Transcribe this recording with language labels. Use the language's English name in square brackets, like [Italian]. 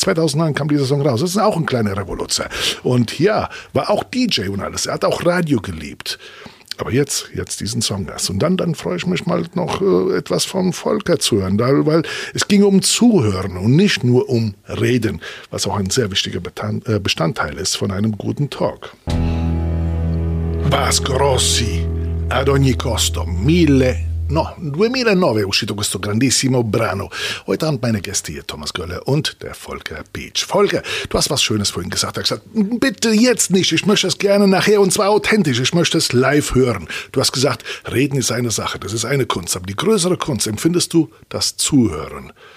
[German] 2009 kam dieser Song raus, das ist auch ein kleiner Revoluzzer. Und ja, war auch DJ und alles, er hat auch Radio geliebt. Aber jetzt diesen Song erst. Und dann freue ich mich mal noch etwas von Volker zu hören, weil es ging um Zuhören und nicht nur um Reden, was auch ein sehr wichtiger Bestandteil ist von einem guten Talk. [Italian] Vasco Rossi, ad ogni costo, 2009 è uscito questo grandissimo brano. [German] Heute Abend meine Gäste hier, Thomas Gölle und der Volker Beach. Volker, du hast was Schönes vorhin gesagt. Er hat gesagt, bitte jetzt nicht, ich möchte es gerne nachher und zwar authentisch, ich möchte es live hören. Du hast gesagt, reden ist eine Sache, das ist eine Kunst, aber die größere Kunst empfindest du das Zuhören.